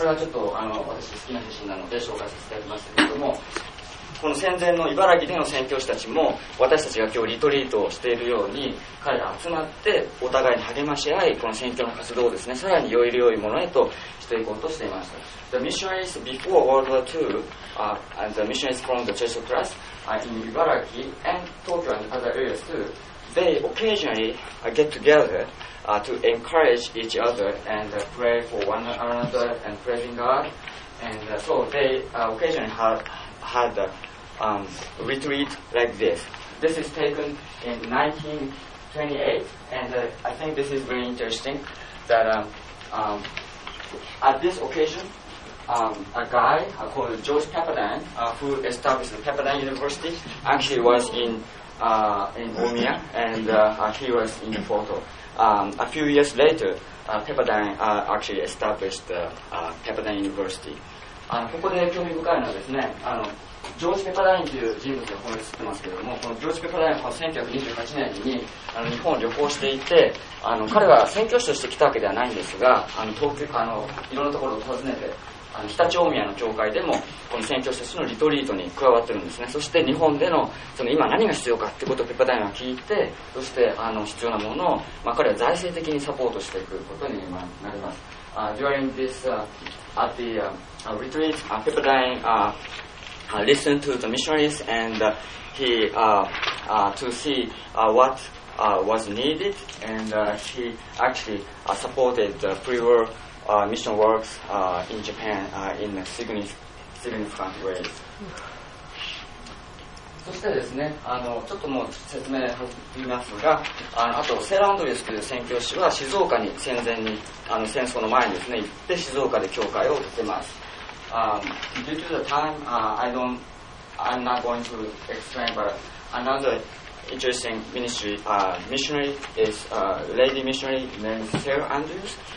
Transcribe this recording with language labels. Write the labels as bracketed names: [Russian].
[Japanese] これはちょっと私好きな写真なので紹介させていただきましたけれども、この戦前の茨城での宣教師たちも私たちが今日リトリートをしているように彼ら集まってお互いに励まし合い、この宣教の活動をですねさらに良い良いものへとしていこうとしています。 [English] The missionaries before World War II、and the missionaries from the Church of Christ、in 茨城 and Tokyo and other areas too、 they occasionally、get together、to encourage each other and、pray for one another and praising God、 and、so they、occasionally had a、retreat like this. This is taken in 1928, and、I think this is very interesting that、at this occasion、a guy called George Pepperdine、who established the Pepperdine University actually was in Omiya, and、he was in the photo.、a few years later,、Pepperdine、actually established the、Pepperdine University. [Japanese] ここで興味深いのはですね、ジョージ・ペパダインという人物がここに写ってますけれども、このジョージ・ペパダインは1928年に日本を旅行していて、彼は宣教師として来たわけではないんですが、東京いろんなところを訪ねて、北朝鮮の教会でもこの宣教師としてのリトリートに加わってるんですね。そして日本で その今何が必要かということをペパダインは聞いて、そして必要なものを、彼は財政的にサポートしていくことになります。 [English] During this at the retreat Pepperdine listen to the missionaries and he to see what was needed and he actually supported the pre-war mission works in Japan in a significant way. [Japanese] そしてですね、ちょっともう説明を言いますが、あとセラアンドリュースという宣教師は静岡に戦前に戦争の前にですね行って静岡で教会を建てます。 [English] Due to the time, I'm not going to explain, but another interesting ministry, missionary is a lady missionary named Sarah Andrews.